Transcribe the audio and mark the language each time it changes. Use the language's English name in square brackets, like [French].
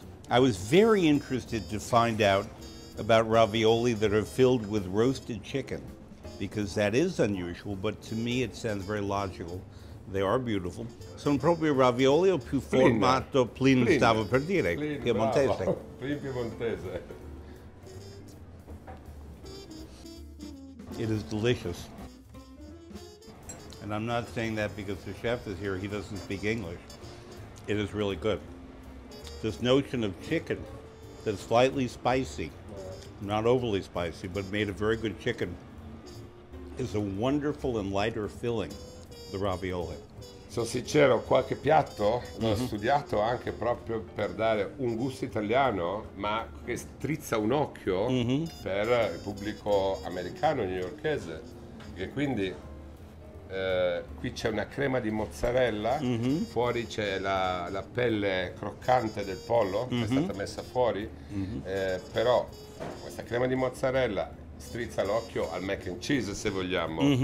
[English] I was very interested to find out about ravioli that are filled with roasted chicken, because that is unusual, but to me it sounds very logical. They are beautiful. [Italian] Sono proprio ravioli o più formato plin, stavo per dire, piemontese. Plin piemontese. [English] It is delicious. And I'm not saying that because the chef is here, he doesn't speak English. It is really good. This notion of chicken that's slightly spicy, not overly spicy, but made a very good chicken, is a wonderful and lighter filling, the ravioli. [Italian] Sono sincero, qualche piatto l'ho studiato anche proprio per dare un gusto italiano, ma che strizza un occhio per il pubblico americano, newyorkese. E quindi qui c'è una crema di mozzarella, fuori c'è la pelle croccante del pollo, che è stata messa fuori, però questa crema di mozzarella strizza l'occhio al mac and cheese, se vogliamo.